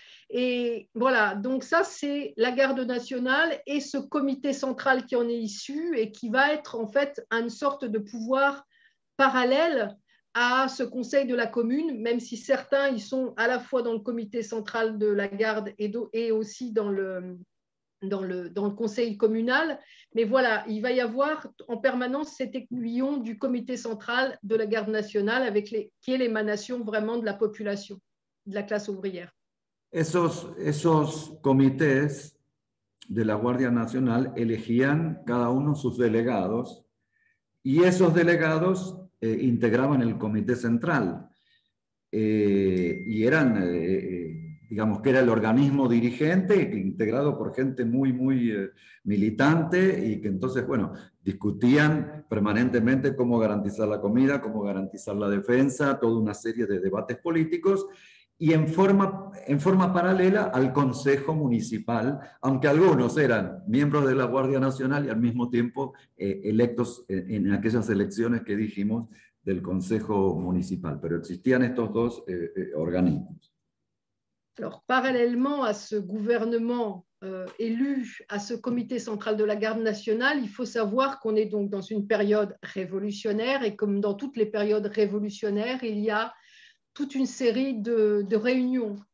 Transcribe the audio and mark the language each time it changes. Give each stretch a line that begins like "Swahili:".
French: Et voilà, donc ça, c'est la garde nationale et ce comité central qui en est issu et qui va être en fait une sorte de pouvoir parallèle à ce conseil de la commune, même si certains, ils sont à la fois dans le comité central de la garde et aussi dans le conseil communal. Mais voilà, il va y avoir en permanence cet aiguillon du comité central de la garde nationale qui est l'émanation vraiment de la population, de la classe ouvrière.
Spanish: Esos comités de la Guardia Nacional elegían cada uno sus delegados y esos delegados integraban el comité central y eran, digamos que era el organismo dirigente integrado por gente muy, muy militante y que entonces, bueno, discutían permanentemente cómo garantizar la comida, cómo garantizar la defensa, toda una serie de debates políticos. Y en forma paralela al Consejo Municipal, aunque algunos eran miembros de la Guardia Nacional y al mismo tiempo electos en aquellas elecciones que dijimos del Consejo Municipal. Pero existían estos dos organismos.
French: Alors, parallèlement à ce gouvernement élu à ce comité central de la garde nationale, il faut savoir qu'on est donc dans une période révolutionnaire et comme dans toutes les périodes révolutionnaires, il y a toute une série de réunions.